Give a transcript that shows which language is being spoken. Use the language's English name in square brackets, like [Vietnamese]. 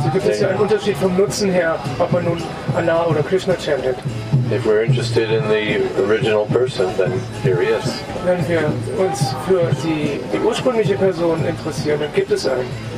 [German] So gibt es ja einen Unterschied vom Nutzen her, ob man nun Allah oder Krishna chantet. [English] If we're interested in the original person, then here he is. [German] Wenn wir uns für die ursprüngliche Person interessieren, dann gibt es einen.